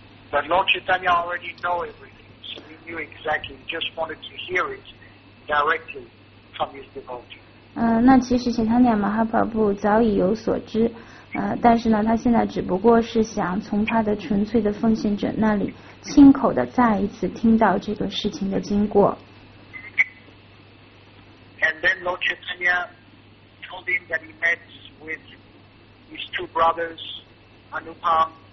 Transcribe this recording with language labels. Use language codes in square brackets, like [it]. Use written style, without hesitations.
[en] But Lord Chaitanya already know everything, so he knew exactly, he just wanted to hear it directly from his devotee. [zh] 那其实 Chaitanya Mahaprabhu 早已有所知，但是呢他现在只不过是想从他的纯粹的奉献者那里亲口的再一次听到这个事情的经过。 [en] And then Lord Chaitanya told him that he met with his two brothers, Anupam,